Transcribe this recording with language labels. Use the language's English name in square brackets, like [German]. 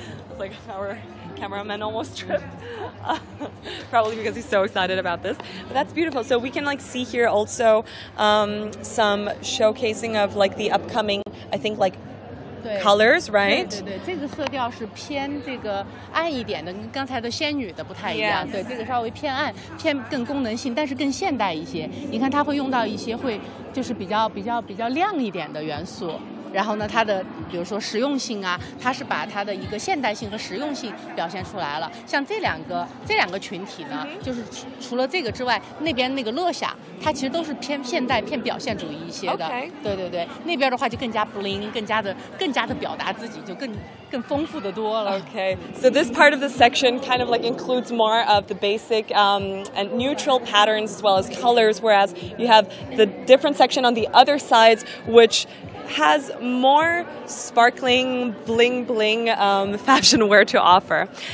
[English] It's like our cameraman almost tripped. Probably because he's so excited about this. But that's beautiful. So we can like see here also some showcasing of like the upcoming, I think like,colors, right? [Chinese] 对对对，这个色调是偏这个暗一点的，跟刚才的仙女的不太一样。 [English] Yes. [Chinese] 对，这个稍微偏暗，偏更功能性，但是更现代一些。你看，它会用到一些会就是比较亮一点的元素。然后呢，它的比如说实用性啊，它是把它的一个现代性和实用性表现出来了。像这两个群体呢，就是除了这个之外，那边那个乐享，它其实都是偏现代、偏表现主义一些的。 [English] Okay. [Chinese] 对对对，那边的话就更加 bling， 更加的表达自己，就更丰富的多了。 [English] Okay, so this part of the section kind of like includes more of the basic and neutral patterns as well as colors, whereas you have the different section on the other sides, which has more sparkling bling fashion wear to offer.